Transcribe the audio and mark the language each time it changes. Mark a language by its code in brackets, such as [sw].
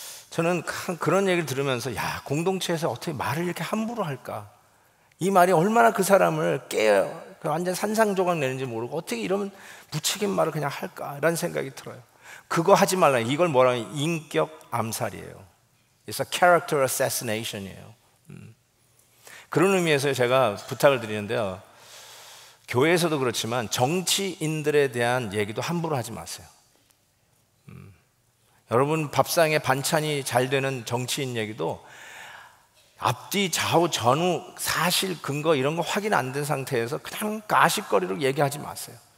[ko] 저는 그런 얘기를 들으면서 야, 공동체에서 어떻게 말을 이렇게 함부로 할까? 이 말이 얼마나 그 사람을 깨어 완전 산상조각 내는지 모르고 어떻게 이런 무책임 말을 그냥 할까? 라는 생각이 들어요. 그거 하지 말라. 이걸 뭐라고 하면 인격 암살이에요. [en] It's a character assassination이에요. [ko] 그런 의미에서 제가 부탁을 드리는데요. 교회에서도 그렇지만 정치인들에 대한 얘기도 함부로 하지 마세요. 여러분 밥상에 반찬이 잘 되는 정치인 얘기도 앞뒤 좌우 전후 사실 근거 이런 거 확인 안 된 상태에서 그냥 가십거리로 얘기하지 마세요.